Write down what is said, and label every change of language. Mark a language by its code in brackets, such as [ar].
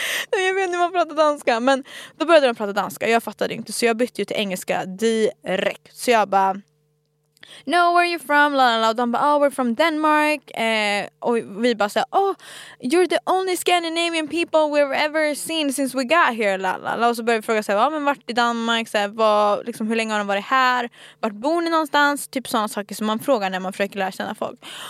[sv] Jag vet inte hur man pratar danska. Men då började de prata danska. Jag fattade inte, så jag bytte ju till engelska direkt. Så jag bara, [en] no, where are you from? La, la, la. [sv] De bara, [en] oh, we're from Denmark. [sv] Och vi bara såhär, [en] oh, you're the only Scandinavian people we've ever seen since we got here. [sv] La, la, la. Och så började vi fråga såhär, oh, men vart i Danmark? Hur länge har de varit här? Vart bor ni någonstans? Typ sådana saker som man frågar när man försöker lära känna folk.